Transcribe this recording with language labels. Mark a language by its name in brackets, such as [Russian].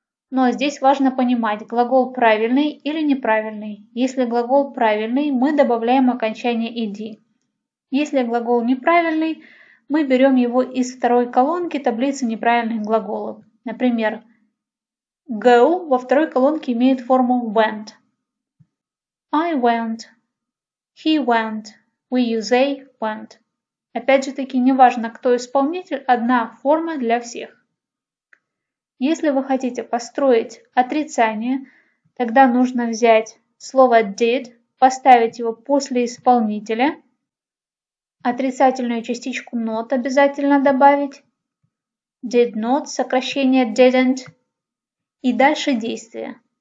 [Russian] Но здесь важно понимать, глагол правильный или неправильный. Если глагол правильный, мы добавляем окончание ed. Если глагол неправильный, мы берем его из второй колонки таблицы неправильных глаголов. Например, go во второй колонке имеет форму went. [English] I went, he went, we, you, they went. [Russian] Опять же таки, неважно, кто исполнитель, одна форма для всех. Если вы хотите построить отрицание, тогда нужно взять слово did, поставить его после исполнителя, отрицательную частичку not обязательно добавить, did not, сокращение didn't, и дальше действие.